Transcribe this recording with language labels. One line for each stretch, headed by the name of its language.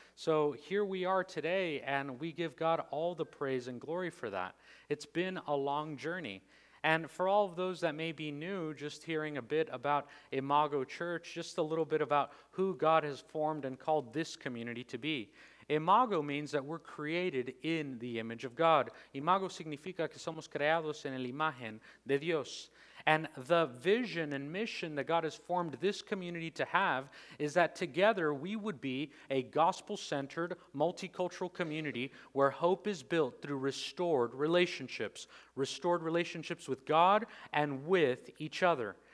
English: So here we are today, and we give God all the praise and glory for that. It's been a long journey. And for all of those that may be new, just hearing a bit about Imago Church, just a little bit about who God has formed and called this community to be. Imago means that we're created in the image of God.
Spanish: Imago significa que somos creados en la imagen de Dios.
English: And the vision and mission that God has formed this community to have is that together we would be a gospel-centered, multicultural community where hope is built through restored relationships with God and with each other.